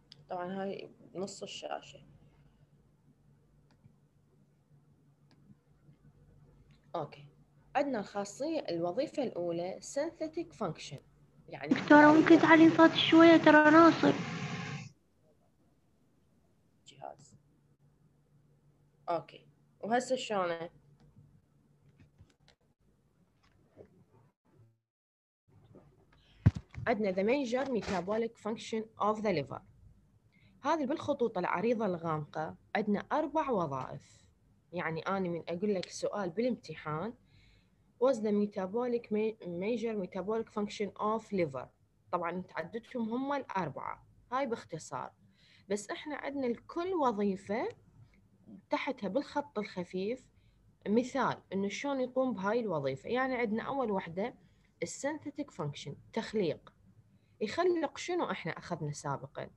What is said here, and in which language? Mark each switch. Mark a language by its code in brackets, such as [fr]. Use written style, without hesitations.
[ar] طبعا هاي نص الشاشه. اوكي، عندنا الخاصيه الوظيفه الاولى synthetic function. يعني دكتوره ممكن تعلي صوت شويه ترى ناصر. اوكي، وهسه شلون؟ عندنا [en] the major metabolic function of the liver. [ar] هذه بالخطوط العريضة الغامقة عندنا أربع وظائف. يعني أنا من أقول لك سؤال بالامتحان [en] was the metabolic major metabolic function of liver. [ar] طبعاً تعددتهم هم الأربعة. هاي باختصار. بس إحنا عندنا لكل وظيفة تحتها بالخط الخفيف مثال انه شلون يقوم بهاي الوظيفة. يعني عندنا اول وحدة السينثيتك فانكشن تخليق، يخلق شنو احنا اخذنا سابقا.